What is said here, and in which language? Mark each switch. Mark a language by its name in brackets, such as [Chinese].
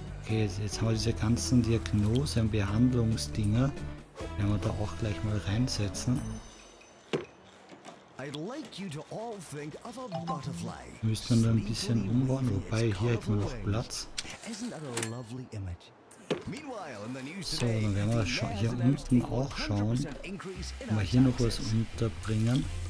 [German] Jetzt haben wir diese ganzen Diagnose- und Behandlungsdinger, werden wir da auch gleich mal reinsetzen. [English] I'd like you to all think of a butterfly. [German] Müssen wir ein bisschen umbauen, wobei hier hätten wir noch Platz. [English] Isn't that a lovely image? Meanwhile, in the new city, [German] so, dann werden wir hier unten auch schauen. Mal hier noch was unterbringen.